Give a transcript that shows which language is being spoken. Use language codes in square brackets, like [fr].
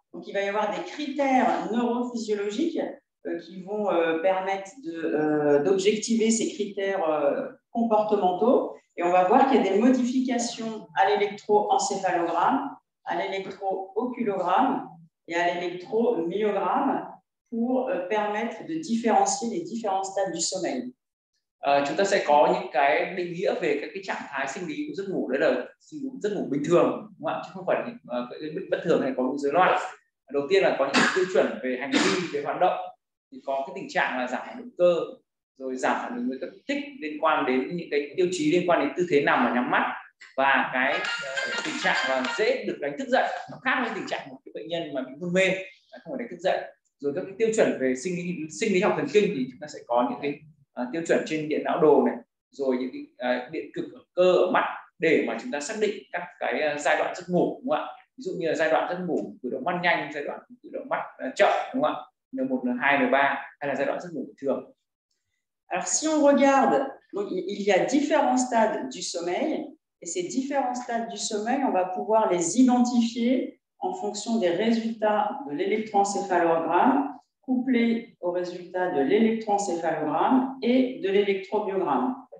[fr] Donc, il va y avoir des critères neurophysiologiques qui vont permettre d'objectiver ces critères comportementaux. Et on va voir qu'il y a des modifications à l'électroencéphalogramme, à l'électrooculogramme et à l'électromyogramme pour permettre de différencier les différents stades du sommeil. [vi] Chúng ta sẽ có những cái định nghĩa về các cái trạng thái sinh lý của giấc ngủ, đấy là giấc ngủ bình thường, đúng không ạ? Chứ không phải bất thường hay có những rối loạn. Đầu tiên là có những tiêu chuẩn về hành vi, về hoạt động, thì có cái tình trạng là giảm phản ứng cơ, rồi giảm phản ứng với các kích thích liên quan đến những cái tiêu chí liên quan đến tư thế nằm và nhắm mắt. Và cái tình trạng là dễ được đánh thức dậy, nó khác với tình trạng một cái bệnh nhân mà bị hôn mê không phải đánh thức dậy. Rồi các cái tiêu chuẩn về sinh lý học thần kinh thì chúng ta sẽ có những cái tiêu chuẩn trên điện não đồ này, rồi những cái điện cực ở cơ ở mắt để mà chúng ta xác định các cái giai đoạn giấc ngủ, đúng không ạ? Ví dụ như là giai đoạn giấc ngủ cử động mắt nhanh, giai đoạn cử động mắt chậm, đúng không ạ? N1, N2, N3 hay là giai đoạn giấc ngủ bình thường. [fr] Alors si on regarde, donc il y a différents stades du sommeil. Et ces différents stades du sommeil, on va pouvoir les identifier en fonction des résultats de l'électroencéphalogramme couplés aux résultats de l'électroencéphalogramme et de l'électromyogramme.